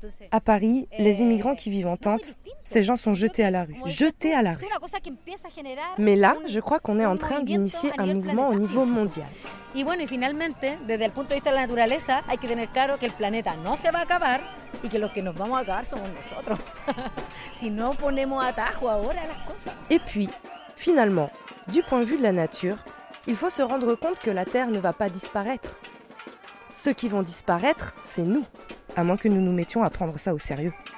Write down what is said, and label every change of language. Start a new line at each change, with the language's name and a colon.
French: À Paris, les immigrants qui vivent en tente, ces gens sont jetés à la rue. Jetés à la rue. Mais là, je crois qu'on est en train d'initier un mouvement au niveau mondial.
Spanish: Y bueno, y finalmente, desde el punto de vista de la naturaleza, hay que tener claro que el planeta no se va a acabar y que los que nos vamos a acabar somos nosotros. Si no ponemos atajo ahora a las cosas.
French: Et puis, finalement, du point de vue de la nature, il faut se rendre compte que la Terre ne va pas disparaître. Ceux qui vont disparaître, c'est nous, à moins que nous nous mettions à prendre ça au sérieux.